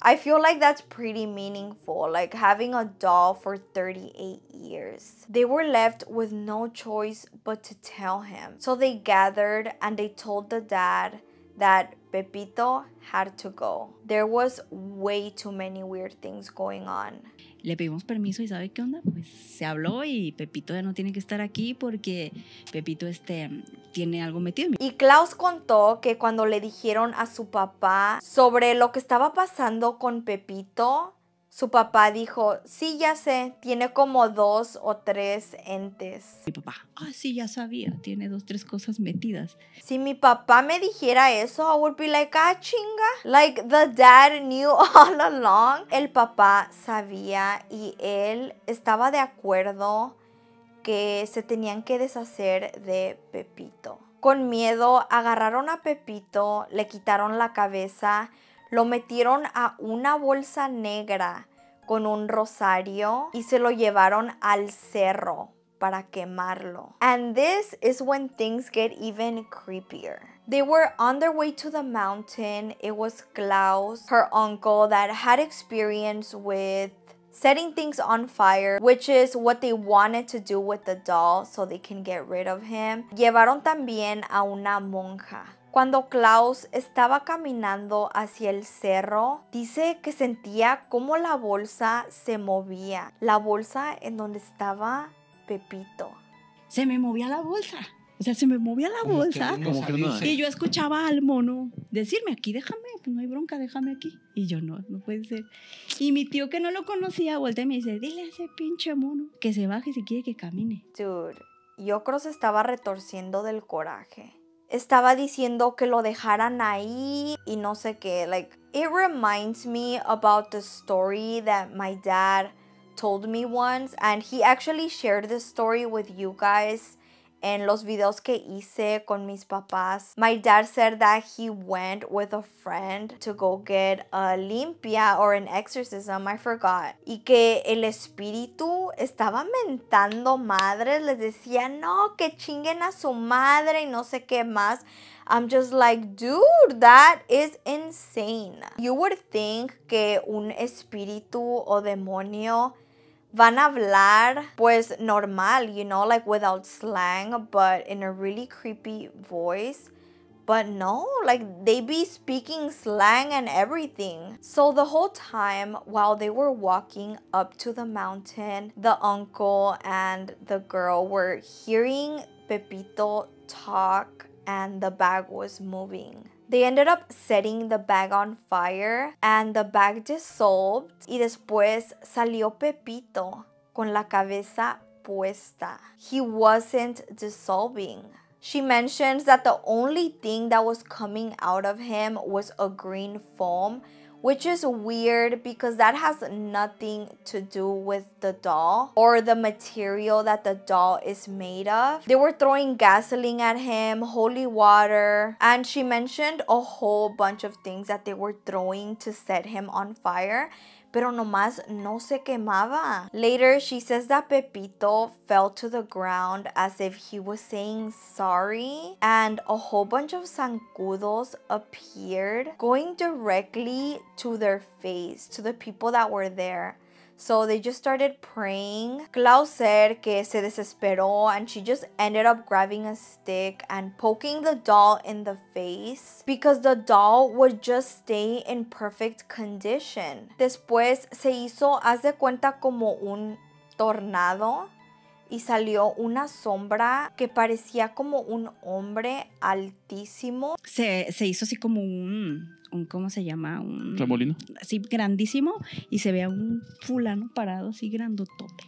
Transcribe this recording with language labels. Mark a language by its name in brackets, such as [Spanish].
[English] I feel like that's pretty meaningful, like having a doll for 38 years. They were left with no choice but to tell him. So they gathered and they told the dad that Pepito had to go. There was way too many weird things going on. [Spanish] Le pedimos permiso y ¿sabe qué onda? Pues se habló y Pepito ya no tiene que estar aquí porque Pepito tiene algo metido. Y Klaus contó que cuando le dijeron a su papá sobre lo que estaba pasando con Pepito, su papá dijo, sí, ya sé, tiene como dos o tres entes. Mi papá, ah, sí, ya sabía, tiene dos, tres cosas metidas. Si mi papá me dijera eso, [English] I would be like, [Spanish] ah, chinga. [English] Like, the dad knew all along. [Spanish] El papá sabía y él estaba de acuerdo que se tenían que deshacer de Pepito. Con miedo, agarraron a Pepito, le quitaron la cabeza, lo metieron a una bolsa negra con un rosario y se lo llevaron al cerro para quemarlo. [English] And this is when things get even creepier. They were on their way to the mountain. It was Klaus, her uncle, that had experience with setting things on fire, which is what they wanted to do with the doll so they can get rid of him. [Spanish] Llevaron también a una monja. Cuando Klaus estaba caminando hacia el cerro, dice que sentía cómo la bolsa se movía. La bolsa en donde estaba Pepito. Se me movía la bolsa. O sea, se me movía la bolsa. Y yo escuchaba al mono decirme, aquí déjame, pues no hay bronca, déjame aquí. Y yo, no, no puede ser. Y mi tío que no lo conocía, voltea y me dice, dile a ese pinche mono que se baje si quiere que camine. Dude, yo creo que se estaba retorciendo del coraje. Estaba diciendo que lo dejaran ahí y no sé qué. [English] Like, it reminds me about the story that my dad told me once. And he actually shared this story with you guys in [Spanish] los videos que hice con mis papás. [English] My dad said that he went with a friend to go get a limpia or an exorcism. I forgot. [Spanish] Y que el espíritu estaba mentando madres. Les decía, no, que chinguen a su madre y no sé qué más. [English] I'm just like, dude, that is insane. You would think [Spanish] que un espíritu o demonio van a hablar, pues, normal, [English] you know, like, without slang, but in a really creepy voice. But no, like, they be speaking slang and everything. So the whole time while they were walking up to the mountain, the uncle and the girl were hearing Pepito talk and the bag was moving. They ended up setting the bag on fire and the bag dissolved. [Spanish] Y después salió Pepito con la cabeza puesta. [English] He wasn't dissolving. She mentions that the only thing that was coming out of him was a green foam, which is weird because that has nothing to do with the doll or the material that the doll is made of. They were throwing gasoline at him, holy water, and she mentioned a whole bunch of things that they were throwing to set him on fire, [Spanish] pero nomás no se quemaba. [English] Later, she says that Pepito fell to the ground as if he was saying sorry, and a whole bunch of zancudos appeared going directly to their face, to the people that were there. So they just started praying. Klaus said [Spanish] que se desesperó [English] and she just ended up grabbing a stick and poking the doll in the face because the doll would just stay in perfect condition. [Spanish] Después se hizo, haz de cuenta, como un tornado y salió una sombra que parecía como un hombre altísimo. Se hizo así como un, ¿cómo se llama? Un remolino. Así grandísimo. Y se ve a un fulano parado así grandotote.